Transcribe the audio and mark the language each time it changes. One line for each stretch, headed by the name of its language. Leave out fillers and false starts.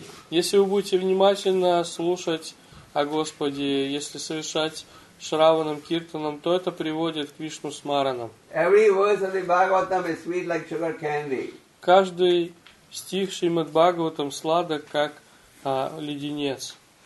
Russian: Если вы будете внимательно слушать о Господе, если совершать Шраванам Киртанам, то это приводит к Вишну Смаранам.
English: Every verse of the Bhagavatam is sweet like sugar candy.
Russian: Каждый стих Шримад Бхагаватам сладок, как леденец.